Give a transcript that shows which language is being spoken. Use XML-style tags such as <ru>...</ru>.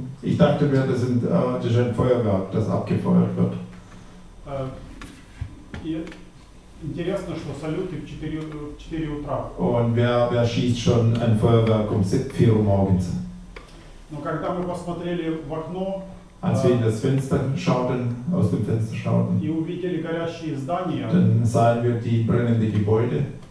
<de>Ich dachte mir, das ist ein Feuerwerk, das abgefeuert wird.</de> <ru>Интересно, что салюты в 4 утра.</ru> <de>Und wer schießt schon ein Feuerwerk um 4 Uhr morgens?</de> <ru>Но когда мы посмотрели в окно,</ru> <de>als wir in das Fenster aus dem Fenster schauten, dann sahen wir die brennenden Gebäude.</de>